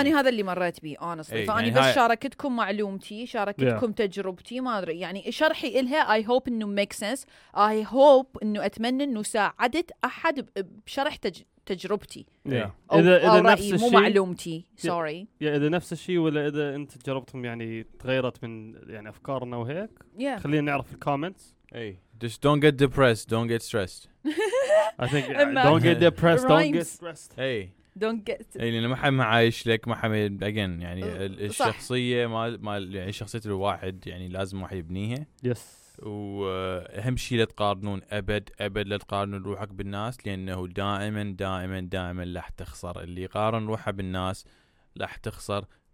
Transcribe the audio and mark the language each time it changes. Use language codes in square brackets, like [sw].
[ar] انا هذا اللي مريت بيه [en] honestly funny [ar] يعني بس شاركتكم معلومتي شاركتكم تجربتي ما ادري يعني شرحي لها [en] I hope [ar] انه [en] make sense [ar] اي هوب انه اتمنى انه ساعدت احد بشرح تجربتي إذا نفس الشيء مو معلومتي سوري إذا نفس الشيء ولا إذا أنت جربتهم يعني تغيرت من يعني أفكارنا وهيك خلينا نعرف في الكومنتس [en] أي just don't get depressed don't get stressed I think don't get depressed don't get stressed hey don't get [ar] أي لأن ما حد ما عايش لك ما حد [en] again [ar] يعني الشخصية ما يعني شخصية الواحد يعني لازم واحد يبنيها [en] yes [ar] وأهم شيء لا تقارنون أبد أبد لا تقارنون روحك بالناس لأنه دائما دائما دائما راح تخسر اللي قارن روحه بالناس راح تخسر 100%